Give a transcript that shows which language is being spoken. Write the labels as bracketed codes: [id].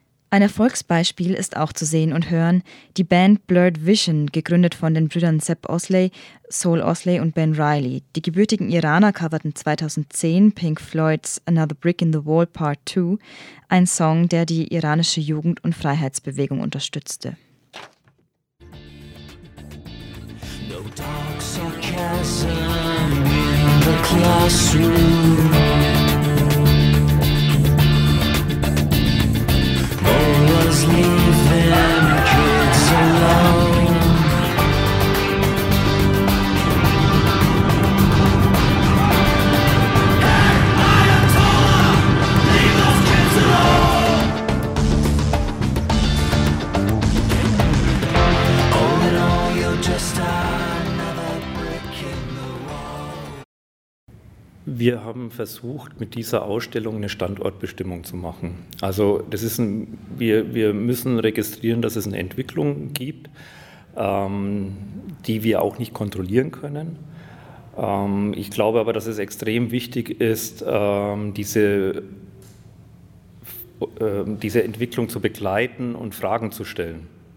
[de] Ein Erfolgsbeispiel ist auch zu sehen und hören, die Band Blurred Vision, gegründet von den Brüdern Seb Osley, Soul Osley und Ben Reilly. Die gebürtigen Iraner coverten 2010 Pink Floyds Another Brick in the Wall Part 2, ein Song, der die iranische Jugend- und Freiheitsbewegung unterstützte. [en] No dark sarcasm in the classroom. Always leaving kids alone. Hey, Ayatollah, leave those kids alone. All in all, you're just another brick in the wall. [de] Wir haben versucht, mit dieser Ausstellung eine Standortbestimmung zu machen. Also das ist wir müssen registrieren, dass es eine Entwicklung gibt, die wir auch nicht kontrollieren können. Ich glaube aber, dass es extrem wichtig ist, diese Entwicklung zu begleiten und Fragen zu stellen.